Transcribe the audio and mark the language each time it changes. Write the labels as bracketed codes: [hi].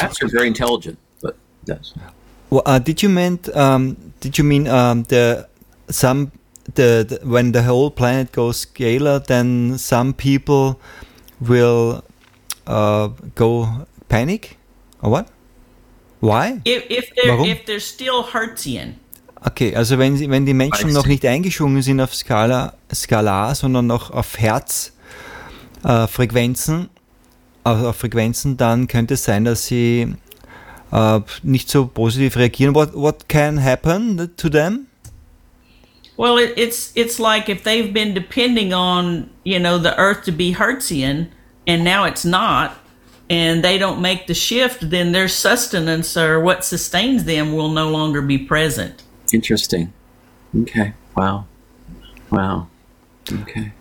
[en] du? Rats are very intelligent, but yes. Well, did you mean when the whole planet goes scalar, then some people will go panic? Or what? Why? If they're still Hertzian. [de] Okay, also wenn die Menschen noch nicht eingeschwungen sind auf Skalar, sondern noch auf Herzfrequenzen, auf Frequenzen, dann könnte es sein, dass sie nicht so positiv reagieren. [en] What can happen to them? Well, it's like if they've been depending on, you know, the Earth to be Hertzian, and now it's not, and they don't make the shift, then their sustenance or what sustains them will no longer be present. Interesting. Okay. Wow. Wow. Okay.